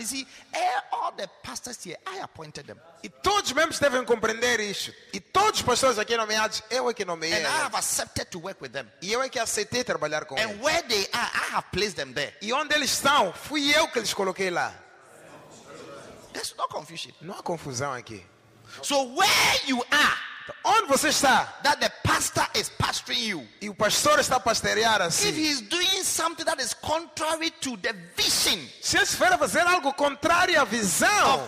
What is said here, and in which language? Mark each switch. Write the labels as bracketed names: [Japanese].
[English] You see, all the pastors here, I appointed them. [Portuguese] E todos os membros devem compreender isso. E todos os pastores aqui nomeados, eu é que nomeei. [English] And I have accepted to work with them. [Portuguese] E eu é que aceitei trabalhar com [English] and [Portuguese] eles. [English] And where they are, I have placed them there. [Portuguese] E onde eles estão, fui eu que lhes coloquei lá. [English] There's no confusion. [Portuguese] Não há confusão aqui. [English] So where you are, [Portuguese] onde você está? [English] That the pastor is pastoring you. [Portuguese] E o pastor está pastorear assim. [English] If he's doing something that is contrary to the vision. [Portuguese] Se ele estiver a fazer algo contrário à visão.